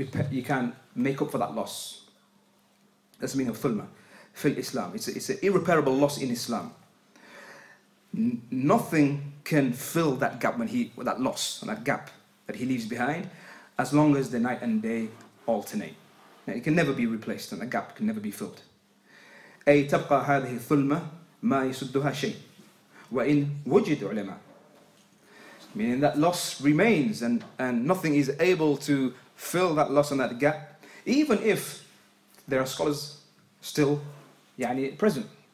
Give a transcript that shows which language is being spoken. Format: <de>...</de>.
<en>You can't make up for that loss. That's the meaning of thulma fil Islam. It's an irreparable loss in Islam. Nothing can fill that gap that he leaves behind, as long as the night and day alternate. Now, it can never be replaced, and that gap can never be filled.</en> <ar>أي تبقى هذه الثلمة ما يسدها شيء وإن وجد علماء.</ar> <en>Meaning that loss remains and nothing is able to fill that loss and that gap, even if there are scholars still يعني, present.</en>